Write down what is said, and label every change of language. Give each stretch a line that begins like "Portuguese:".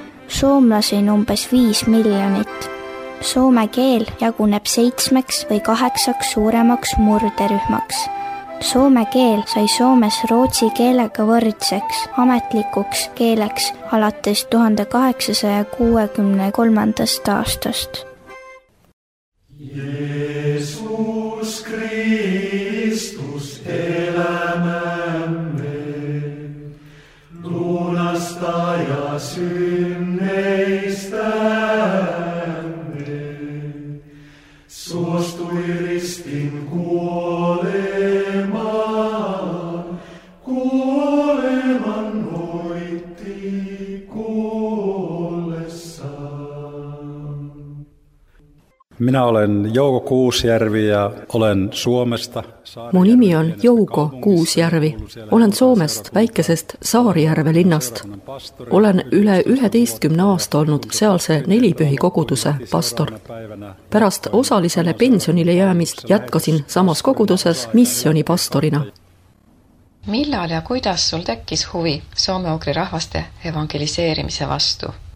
Estonian: Soomlasi on umbes 5 miljonit. Soome keel jaguneb 7 või 8 suuremaks murderühmaks. Soome keel sai Soomes rootsi keelega võrdseks, ametlikuks keeleks alates 1863. aastast.
Finnish: Jeesus Kristus elämämme, lunastaja synneistämme, suostui ristin kuolemaan, kuoleman voitti kuollessaan. Minä olen Jouko Kuusjärvi ja olen Suomesta.
Estonian: Mu nimi on Jouko Kuusjärvi. Olen Soomest, väikesest Saarjärve linnast. Olen üle 11 aasta olnud sealse nelipühi koguduse pastor. Pärast osalisele pensionile jäämist jätkasin samas koguduses missioni pastorina. Millal ja kuidas sul tekkis huvi soome-ugri rahvaste evangeliseerimise vastu?